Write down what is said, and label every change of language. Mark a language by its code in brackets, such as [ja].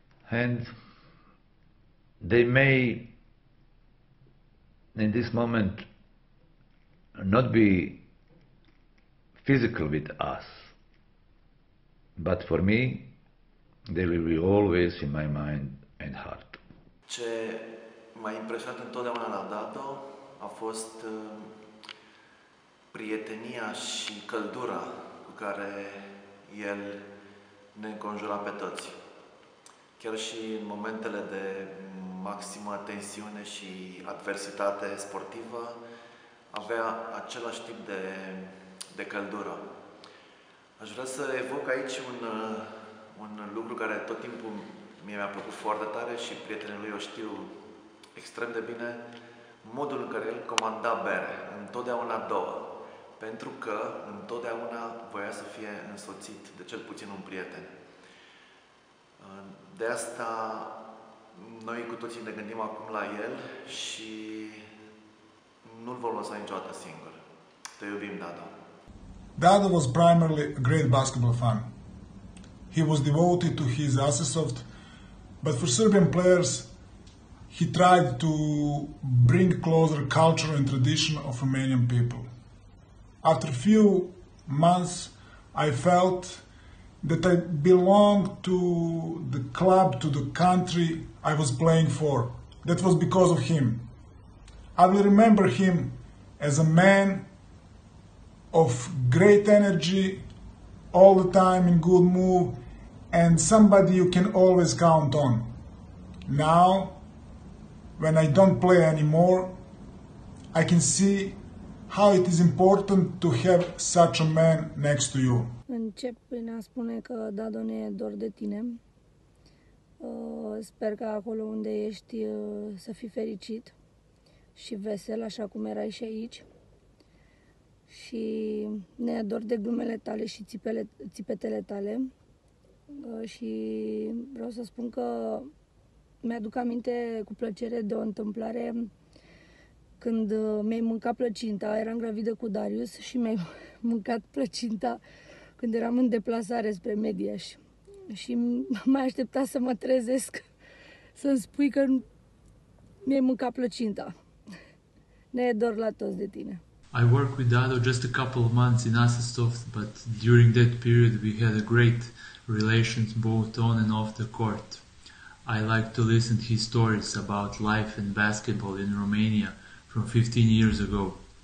[en] And they may, in this moment, not be physical with us. But for me, they will be always in my mind and heart. [ro] Ce m-a impresionat întotdeauna la Dado a fost prietenia și căldura cu care el ne înconjura pe toți. Chiar și în momentele de maximă tensiune și adversitate sportivă, avea același tip de căldură. Aș vrea să evoc aici un lucru care tot timpul mie mi-a plăcut foarte tare și prietenii lui o știu extrem de bine. Modul în care el comanda bere. Întotdeauna două. pentru că întotdeauna voia să fie însoțit de cel puțin un prieten. De asta noi cu toții ne gândim acum la el și nu-l vom lăsa niciodată singur. Te iubim, Dado. [en] Dado was primarily a great basketball fan. He was devoted to his Asesoft, but for Serbian players, he tried to bring closer culture and tradition of Romanian people. After a few months, I felt that I belonged to the club, to the country I was playing for. That was because of him. I will remember him as a man of great energy, all the time in good mood, and somebody you can always count on. Now, when I don't play anymore, I can see how it is important to have such a man next to you. [ro] Încep prin a spune că Dado ne e dor de tine. Sper că acolo unde ești să fii fericit și vesel, așa cum erai și aici. Și ne e dor de glumele tale și țipetele tale. Și vreau să spun că mi-aduc aminte cu plăcere de o întâmplare când mi-ai mâncat plăcinta. Eram gravidă cu Darius și mi-ai mâncat plăcinta când eram în deplasare spre Mediaș. Și m-ai așteptat să mă trezesc să-mi spui că mi-ai mâncat plăcinta. Ne e dor la toți de tine. [en] I worked with Dado just a couple of months in Asesoft, but during that period we had a great relations both on and off the court. I like to listen to his stories about life and basketball in Romania from 15 years ago.